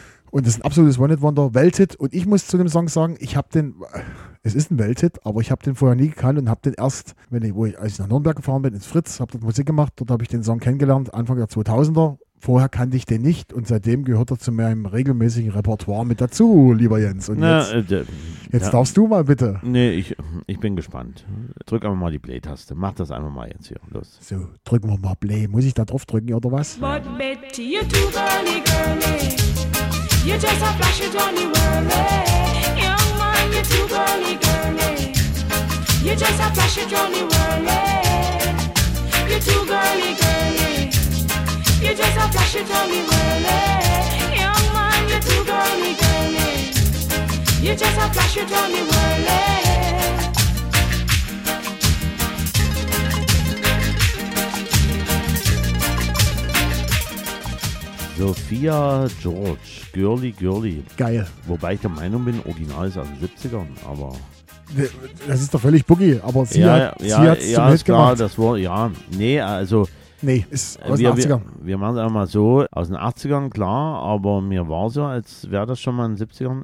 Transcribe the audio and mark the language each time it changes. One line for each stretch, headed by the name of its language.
German: Und das ist ein absolutes One-Hit-Wonder, Welthit. Und ich muss zu dem Song sagen, es ist ein Welthit, aber ich habe den vorher nie gekannt und habe den erst, als ich nach Nürnberg gefahren bin, ins Fritz, habe dort Musik gemacht, dort habe ich den Song kennengelernt, Anfang der 2000er. Vorher kannte ich den nicht und seitdem gehört er zu meinem regelmäßigen Repertoire mit dazu, lieber Jens. Und jetzt darfst du mal bitte. Nee, ich bin gespannt. Drück einfach mal die Play-Taste. Mach das einfach mal jetzt hier. Los. So, drücken wir mal Play. Muss ich da drauf drücken, oder was?
English: But Betty, you're too girly, girly. You're just a flashy, twirly, whirly. Young man, you're too girly, girly. You're just a flashy, twirly, whirly. You're too girly, girly. You just a flashy, twirly, whirly. Young man, you're too girly, girly. You just a flashy, twirly, whirly. Sophia George, Girly, Girly.
German: Geil. Wobei ich der Meinung bin, Original ist aus den 70ern, aber... Das ist doch völlig boogie, aber sie hat es zum Hit gemacht. Ja, das war... Ja, nee, also... Nee, ist aus den 80ern. Wir machen es einmal so, aus den 80ern, klar, aber mir war so, als wäre das schon mal in den 70ern.